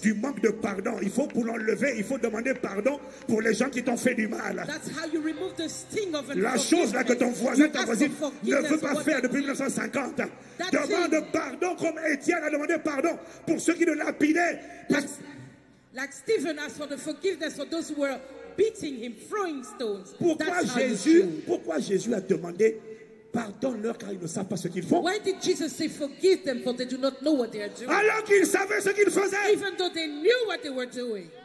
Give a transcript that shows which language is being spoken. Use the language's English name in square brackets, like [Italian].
[French] du manque de pardon. Il faut pour l'enlever, il faut demander pardon pour les gens qui t'ont fait du mal. [English] That's how you remove the sting of [French] la chose là que ton voisin, ta voisine ne veut pas faire depuis 1950. Demande [English] it. [French] Pardon comme Étienne a demandé pardon pour ceux qui le lapidaient. Parce... [English] Like Stephen asked for the forgiveness for those who were beating him, throwing stones. [French] Pourquoi Jésus a demandé pardonne-leur car ils ne savent pas ce qu'ils font? [English] Why did Jesus say forgive them for they do not know what they are doing? [French] Alors qu'ils savaient ce qu'ils faisaient. [English] Even though they knew what they were doing.